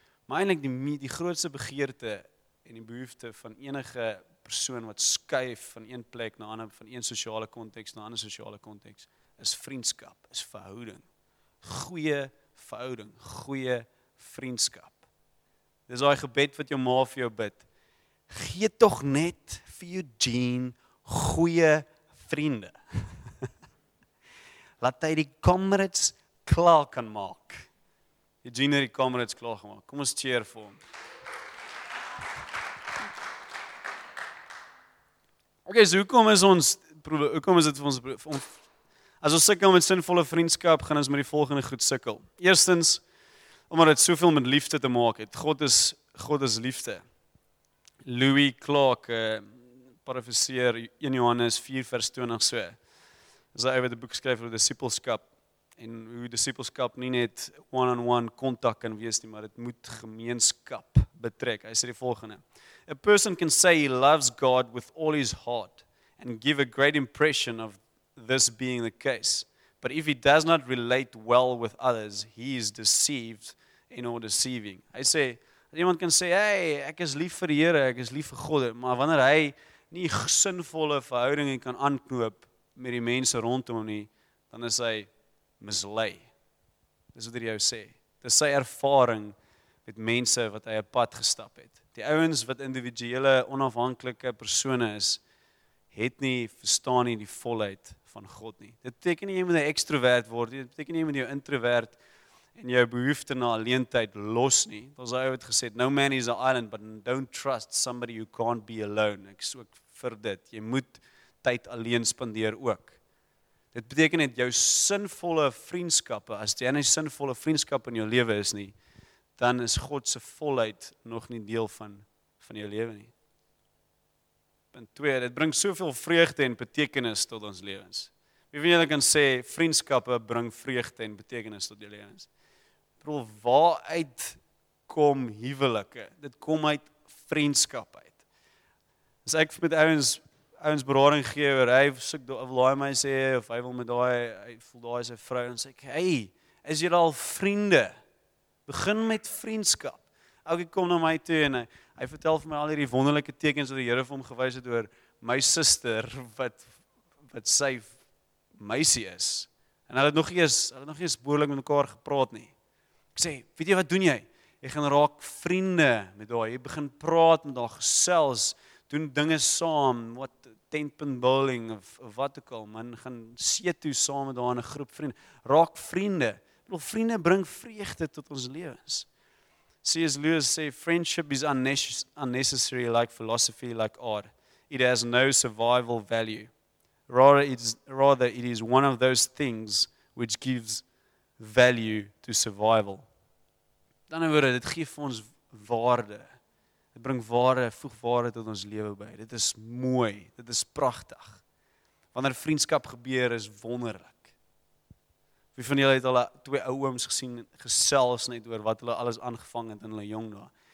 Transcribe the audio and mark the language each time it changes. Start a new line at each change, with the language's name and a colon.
Afrikaans: Maar eintlik die grootste begeerte en die behoefte van enige persoon wat skuif van een plek na ander, van een sociale context na ander sociale context, is vriendskap, is verhouding. Goeie verhouding, goeie vriendskap. Dit is al gebed wat jou ma vir jou bid. Gee toch net vir Eugene goeie vriende. Laat hy die comrades klaar kan maak. Eugene het die comrades klaar gemaak. Kom ons cheer vir hom. Ok, so hoekom is dit vir ons, as ons sukkel met sinvolle vriendskap, gaan ons met die volgende goed sukkel. Eerstens, omdat het soveel met liefde te maak het. God is liefde. Louis Clark parafraseer 1 Johannes 4 vers 20 so. Is hy wat die boek skryf oor discipleskap, en hoe discipleskap nie net one-on-one contact kan wees nie, maar het moet gemeenskap betrek. Hy sê die volgende.
English: A person can say he loves God with all his heart and give a great impression of this being the case. But if he does not relate well with others, he is deceived and or deceiving.
Afrikaans: Hy sê, iemand kan sê, hey, ek is lief vir die Here, ek is lief vir God, maar wanneer hy nie sinvolle verhoudinge kan aanknoop met die mense rondom hom nie, dan is hy mislei. Dis wat hy jou sê. Dis sy ervaring met mense wat hy op pad gestap het. Die ouens wat individuele, onafhanklike persone is, het nie verstaan nie die volheid van God nie. Dit beteken nie jy moet 'n extrovert word, dit beteken nie jy moet jou introvert en jou behoefte na alleentyd los nie. Daar is hy het gesê,
English: no man is an island, but don't trust somebody who can't be alone.
Afrikaans: Ek is ook vir dit. Jy moet tyd alleen spandeer ook. Dit beteken net jou sinvolle vriendskappe, as jy nie sinvolle vriendskap in jou lewe is nie, dan is God se volheid nog nie deel van jou lewe nie. Punt 2, dit bring soveel vreugde en betekenis tot ons lewens. Wie van julle kan sê, vriendskappe bring vreugde en betekenis tot jou lewens? Waaruit kom huwelike? Dit kom uit vriendskap uit. As ek met ouens berading gee, oor hy soek daai meisie, of hy wil met daai, hy voel daai sy vrou, en sê ek, hey, is jy al vriende? Begin met vriendskap. Ek kom na my toe, en hy vertel vir my al die wonderlike tekens, wat die Here vir hom gewys het, oor my sister, wat sy meisie is. En hy het nog eens behoorlik met mekaar gepraat nie. Ek sê, weet jy wat doen jy? Jy gaan raak vriende met daai, jy begin praat met daai gesels, doen dinge saam, wat tentpunt building of wat ook al, man gaan see toe saam met daai in 'n groep vriende. Raak vriende. Want vriende bring vreugde tot ons lewens. C.S.
English: Lewis sê, friendship is unnecessary like philosophy, like art. It has no survival value. Rather it is one of those things which gives value to survival.
Afrikaans: Dan in woorde, dit geef vir ons waarde. Dit bring waarde, voeg waarde tot ons lewe by. Dit is mooi, dit is prachtig. Wanneer vriendskap gebeur, is wonderlik. Wie van julle het al twee ou ooms gesien, gesels net oor wat hulle alles aangevang het in hulle jong daar?